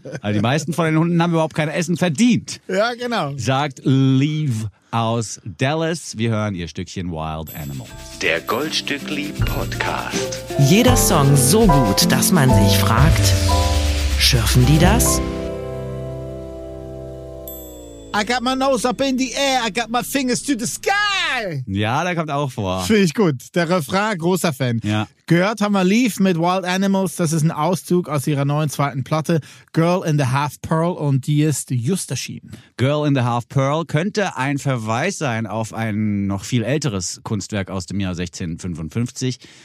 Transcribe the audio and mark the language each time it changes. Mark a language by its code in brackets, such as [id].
[de] Also die meisten von den Hunden haben überhaupt kein Essen verdient. Ja, genau. Sagt Leaf aus Dallas. Wir hören ihr Stückchen Wild Animals. Der Goldstückli-Podcast. Jeder Song so gut, dass man sich fragt, schürfen die das? [en] I got my nose up in the air, I got my fingers to the sky. [de] Ja, der kommt auch vor. Finde ich gut. Der Refrain, großer Fan. Ja. Gehört haben wir Leaf mit Wild Animals. Das ist ein Auszug aus ihrer neuen zweiten Platte, Girl in the Half Pearl. Und die ist just erschienen. Girl in the Half Pearl könnte ein Verweis sein auf ein noch viel älteres Kunstwerk aus dem Jahr 1655.